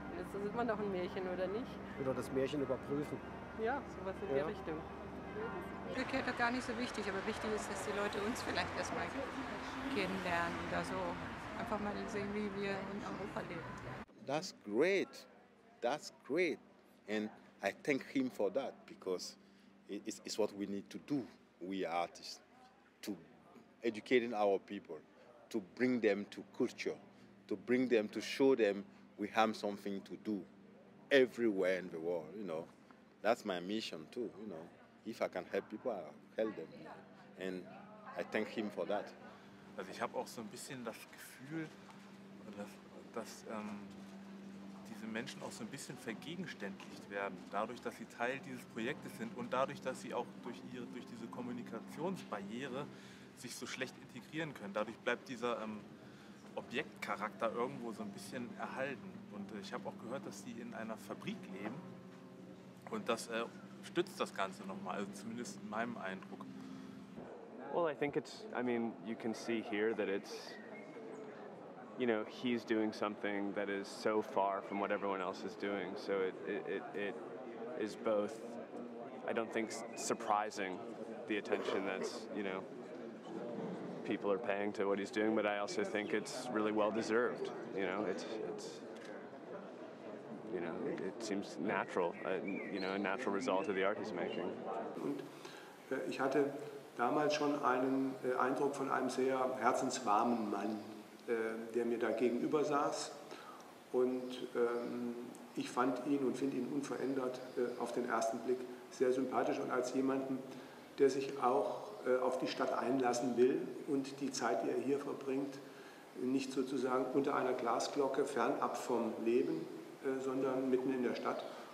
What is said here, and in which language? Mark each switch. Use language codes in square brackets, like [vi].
[de] Ist das immer noch ein Märchen oder nicht? Oder das Märchen überprüfen. Ja, sowas in die Richtung. Glück ist gar nicht so wichtig, aber wichtig ist, dass die Leute uns vielleicht erstmal kennenlernen oder so. Einfach mal sehen, wie wir in Europa leben. [en] That's great. That's great. And I thank him for that because it's what we need to do, we artists, to educate our people, to bring them to culture, to bring them, to show them we have something to do everywhere in the world, you know. That's my mission too, you know. If I can help people, I'll help them. And I thank him for that. [de] Also ich habe auch so ein bisschen das Gefühl, dass diese Menschen auch so ein bisschen vergegenständlicht werden, dadurch, dass sie Teil dieses Projektes sind und dadurch, dass sie auch durch diese Kommunikationsbarriere sich so schlecht integrieren können. Dadurch bleibt dieser, Objektcharakter irgendwo so ein bisschen erhalten. Und ich habe auch gehört, dass die in einer Fabrik leben. Und das stützt das Ganze nochmal, also zumindest in meinem Eindruck. [en] Well, I think it's, I mean, you can see here that it's, you know, he's doing something that is so far from what everyone else is doing. So it is both, I don't think, surprising the attention that's, you know, people are paying to what he's doing, but I also think it's really well deserved. You know, it's you know, it seems natural, you know, a natural result of the art he's making. [de] Und ich hatte damals schon einen Eindruck von einem sehr herzenswarmen Mann, der mir da gegenüber saß. Und ich fand ihn und finde ihn unverändert auf den ersten Blick sehr sympathisch und als jemanden, der sich auch auf die Stadt einlassen will und die Zeit, die er hier verbringt, nicht sozusagen unter einer Glasglocke fernab vom Leben, sondern mitten in der Stadt.